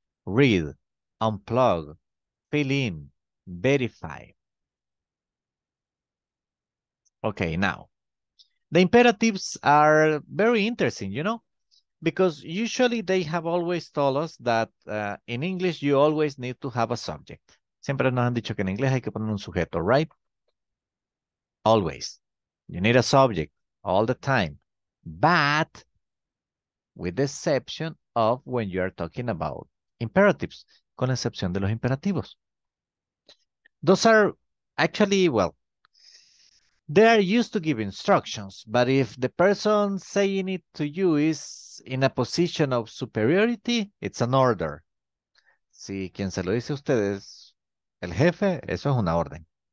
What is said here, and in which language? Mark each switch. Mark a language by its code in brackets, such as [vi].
[en] Read, unplug, fill in, verify. Okay, now. The imperatives are very interesting, you know, because usually they have always told us that in English, you always need to have a subject. [es] Siempre nos han dicho que en inglés hay que poner un sujeto, right? [en] Always. You need a subject all the time, but with the exception of when you are talking about imperatives, [es] con excepción de los imperativos. [en] Those are actually, well, they are used to give instructions, but if the person saying it to you is in a position of superiority, it's an order. [es] Si quien se lo dice a usted es el jefe, eso es una orden.